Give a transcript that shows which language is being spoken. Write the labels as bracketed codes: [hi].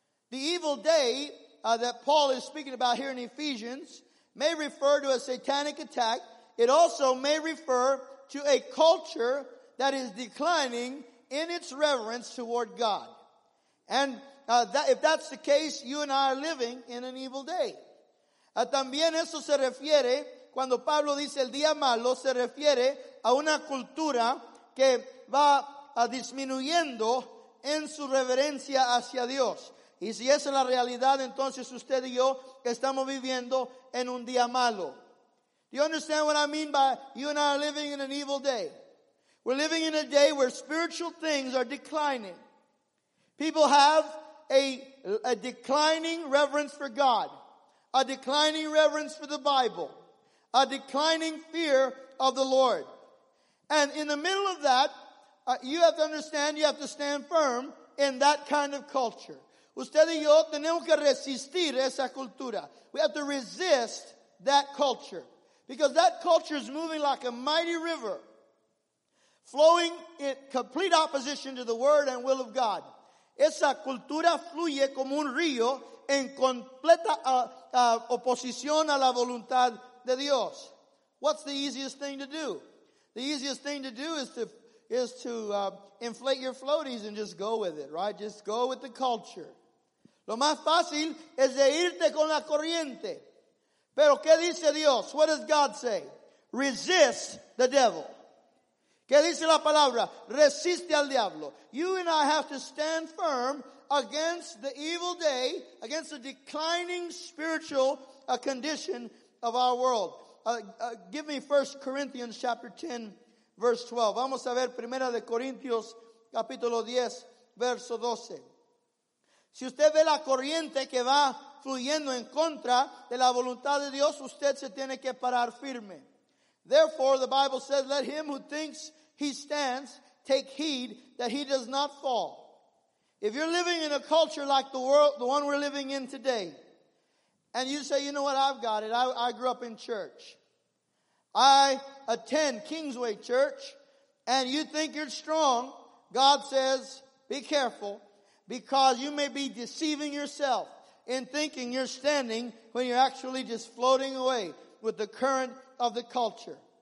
[en] The evil day that Paul is speaking about here in Ephesians may refer to a satanic attack. It also may refer to a culture that is declining in its reverence toward God. And that, if that's the case, you and I are living in an evil day. [es] También eso se refiere, cuando Pablo dice el día malo, se refiere a una cultura que va disminuyendo en su reverencia hacia Dios. Y si esa es la realidad, entonces usted y yo estamos viviendo en un día malo. [en] Do you understand what I mean by you and I are living in an evil day? We're living in a day where spiritual things are declining. People have a declining reverence for God, a declining reverence for the Bible, a declining fear of the Lord. And in the middle of that, you have to understand, you have to stand firm in that kind of culture. [es] Usted y yo tenemos que resistir esa cultura. [en] We have to resist that culture. Because that culture is moving like a mighty river, flowing in complete opposition to the word and will of God. [es] Esa cultura fluye como un río en completa oposición a la voluntad de Dios. [en] What's the easiest thing to do? The easiest thing to do is to inflate your floaties and just go with it, right? Just go with the culture. [es] Lo más fácil es de irte con la corriente. Pero ¿qué dice Dios? [en] What does God say? Resist the devil. [es] ¿Qué dice la palabra? Resiste al diablo. [en] You and I have to stand firm against the evil day, against the declining spiritual condition of our world. Give me 1 Corinthians chapter 10, verse 12. [es] Vamos a ver 1 Corintios capítulo 10, verso 12. Si usted ve la corriente que va fluyendo en contra de la voluntad de Dios, usted se tiene que parar firme. [en] Therefore, the Bible says, let him who thinks he stands take heed that he does not fall. If you're living in a culture like the world, the one we're living in today, and you say, you know what, I've got it. I grew up in church. I attend Kingsway Church, and you think you're strong, God says, be careful, because you may be deceiving yourself in thinking you're standing when you're actually just floating away with the current of the culture.